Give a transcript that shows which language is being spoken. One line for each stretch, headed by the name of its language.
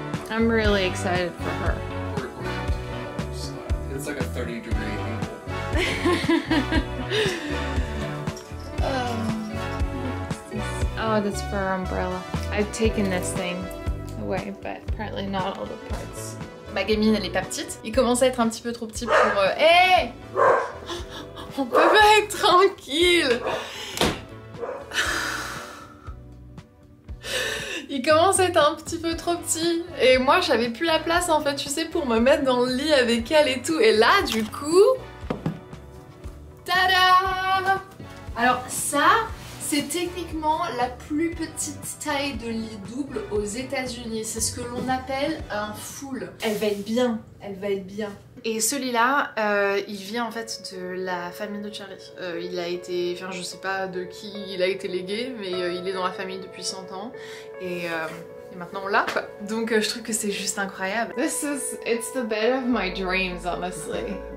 English: I'm really excited for her. It's like a 30 degree angle. Oh, that's for our umbrella. I've taken this thing away, but apparently not all the parts.
French: Ma gamine, elle est pas petite. Il commence à être un petit peu trop petit pour... Hey! On peut pas être tranquille! Il commence à être un petit peu trop petit. Et moi, j'avais plus la place, en fait, tu sais, pour me mettre dans le lit avec elle et tout. Et là, du coup... Tada! Alors, ça, c'est techniquement la plus petite taille de lit double aux États-Unis. C'est ce que l'on appelle un full. Elle va être bien. Elle va être bien. Et celui-là, il vient en fait de la famille de Charlie. Il a été, enfin je sais pas de qui il a été légué, mais il est dans la famille depuis 100 ans. Et maintenant on l'a, quoi. Donc je trouve que c'est juste incroyable.
English: This is, it's the bed of my dreams, honestly.